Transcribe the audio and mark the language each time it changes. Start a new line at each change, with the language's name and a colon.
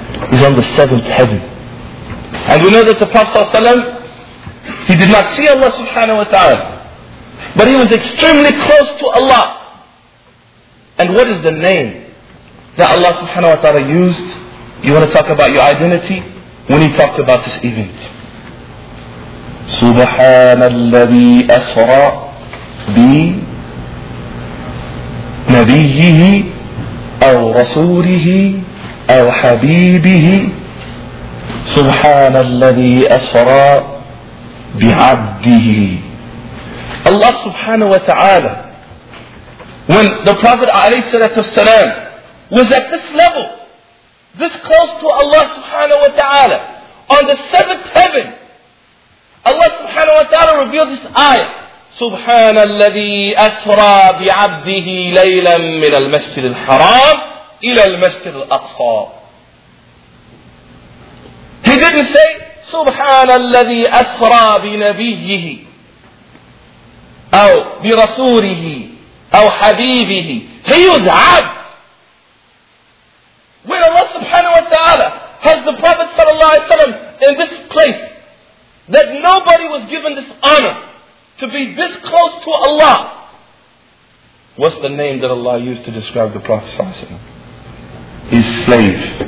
English: He's on the seventh heaven. And we know that the Prophet ﷺ, he did not see Allah subhanahu wa ta'ala. But he was extremely close to Allah. And what is the name that Allah subhanahu wa ta'ala used? You want to talk about your identity? When he talked about this event.
Arabic: سبحان الذي أسرى بنبيه أو رسوله أو حبيبه سبحان الذي أسرى بعبده.
English: Allah subhanahu wa ta'ala, when the Prophet alayhi salatu wasalam was at this level, this close to Allah subhanahu wa ta'ala, on the seventh heaven, Allah subhanahu wa ta'ala revealed this ayah.
Arabic: سُبْحَانَ الَّذِي أَسْرَى بِعَبْدِهِ لَيْلًا مِنَ الْمَسْجِدِ الْحَرَامِ إِلَى الْمَسْجِدِ الْأَقْصَى.
English: He didn't say,
Arabic: سُبْحَانَ الَّذِي أَسْرَى بِنَبِيِّهِ أَوْ بِرَسُولِهِ أَوْ حَبِيبِهِ.
English: He was abd. When Allah subhanahu wa ta'ala has the Prophet sallallahu alayhi wa sallam in this place, that nobody was given this honor to be this close to Allah. What's the name that Allah used to describe the Prophet Sallallahu Alaihi Wasallam? His slave.